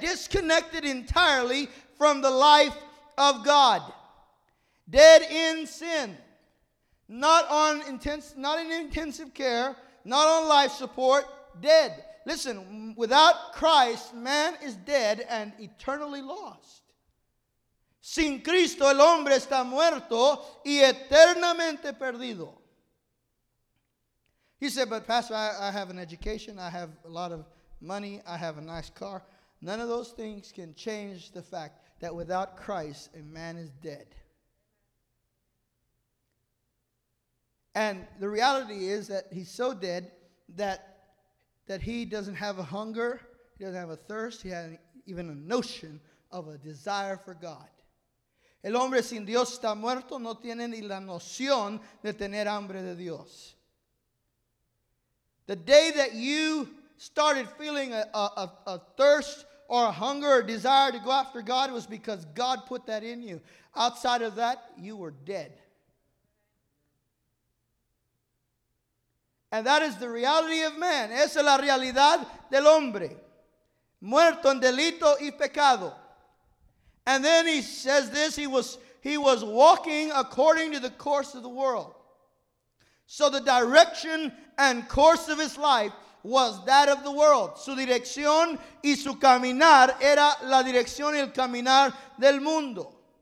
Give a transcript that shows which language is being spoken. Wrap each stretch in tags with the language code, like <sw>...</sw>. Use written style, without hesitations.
<en>Disconnected entirely from the life of God. Dead in sin. Not in intensive care. Not on life support. Dead. Listen, without Christ, man is dead and eternally lost.</en> <es>Sin Cristo, el hombre está muerto y eternamente perdido.</es> <en>He said, but Pastor, I have an education, I have a lot of money, I have a nice car. None of those things can change the fact that without Christ, a man is dead. And the reality is that he's so dead that he doesn't have a hunger, he doesn't have a thirst, he has even a notion of a desire for God.</en> <es>El hombre sin Dios está muerto, no tiene ni la noción de tener hambre de Dios.</es> <en>The day that you started feeling a thirst or a hunger or desire to go after God was because God put that in you. Outside of that, you were dead. And that is the reality of man.</en> <es>Esa es la realidad del hombre. Muerto en delito y pecado.</es> <en>And then he says this, he was walking according to the course of the world. So the direction and course of his life was that of the world.</en> <es>Su dirección y su caminar era la dirección y el caminar del mundo.</es>